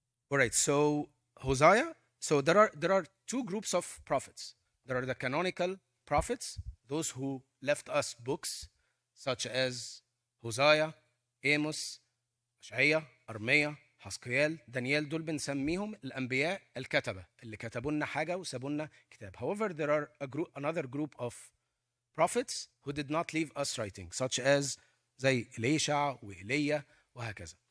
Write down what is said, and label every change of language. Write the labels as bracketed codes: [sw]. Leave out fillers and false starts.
[en] All right, so Hosea. So there are two groups of prophets. There are the canonical prophets, those who left us books, such as Hosea, Amos, Ishaiah, Armea, Haskiel, Daniel. [ar] دول بنسميهم الأنبياء الكتبة اللي كتبوا لنا حاجة وسابوا لنا كتاب. [en] However, there are another group of prophets who did not leave us writing, such as [ar] زي إليشع وإليا وهكذا.